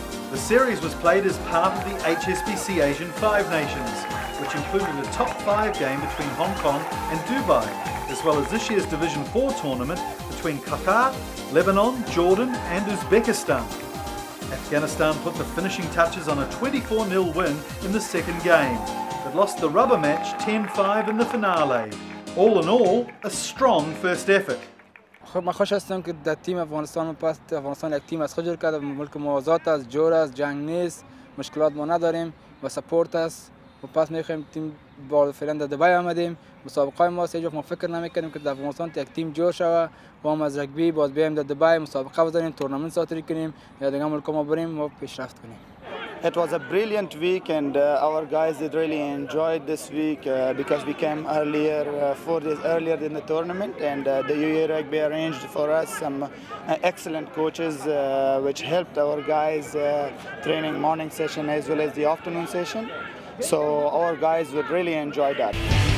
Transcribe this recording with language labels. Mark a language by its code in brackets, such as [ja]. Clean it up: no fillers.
[en] The series was played as part of the HSBC Asian Five Nations, which included a top 5 game between Hong Kong and Dubai, as well as this year's Division 4 tournament between Qatar, Lebanon, Jordan and Uzbekistan. Afghanistan put the finishing touches on a 24-0 win in the second game, but lost the rubber match 10-5 in the finale. All in all, a strong first effort. [fa] ما خوش هستم که در تیم افغانستان پست افغانستان یک تیم از خود جور کرده ملک ما آزاد است جور است جنگ نیست مشکلات ما نداریم و سپورت است و پس می خویم تیم بار فعلا در دبی آمدیم مسابقه ما سه جو ما فکر نمی کنیم که در افغانستان یک تیم جور شوه و ما از رگبی باز بیایم در دبی مسابقه بزنیم تورنمنت ساتری کنیم یا دیگه ملک ما بریم و پیشرفت کنیم. [en] It was a brilliant week and our guys did really enjoyed this week because we came earlier, 4 days earlier than the tournament, and the UAE Rugby arranged for us some excellent coaches which helped our guys training morning session as well as the afternoon session. So our guys would really enjoy that.